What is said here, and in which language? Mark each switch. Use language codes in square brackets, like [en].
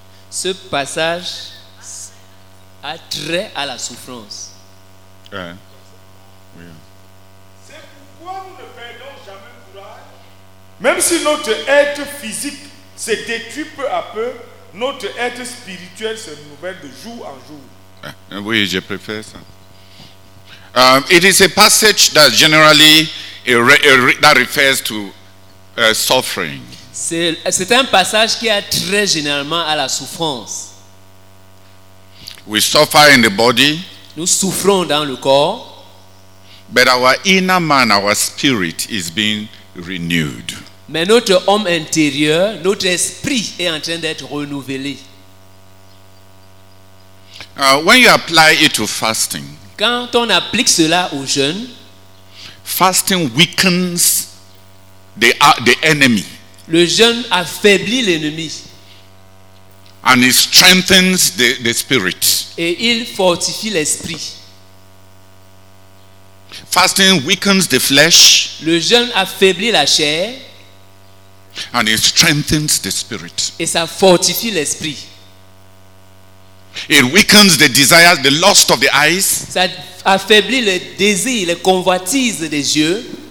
[fr] Ce passage a trait à la souffrance. C'est pourquoi nous ne perdons jamais courage. Même si notre être physique se détruit peu à peu, notre être spirituel se renouvelle de jour en jour. Oui, je préfère ça. [en] It is a passage that generally that refers to suffering. [fr] C'est un passage qui a très généralement à la souffrance. [en] We suffer in the body. [fr] Nous souffrons dans le corps. [en] But our inner man, our spirit, is being renewed. [fr] Mais notre homme intérieur, notre esprit est en train d'être renouvelé. [en] When you apply it to fasting. [fr] Quand on applique cela au jeûne, [en] fasting weakens the enemy. [fr] Le jeûne affaiblit l'ennemi. [en] And it strengthens the spirit. [fr] Et il fortifie l'esprit. [en] Fasting weakens the flesh. [fr] Le jeûne affaiblit la chair. [en] And it strengthens the spirit. [fr] Et ça fortifie l'esprit. [en] It weakens the desires, the lust of the eyes. [fr] Ça affaiblit le désir, les convoitises des yeux.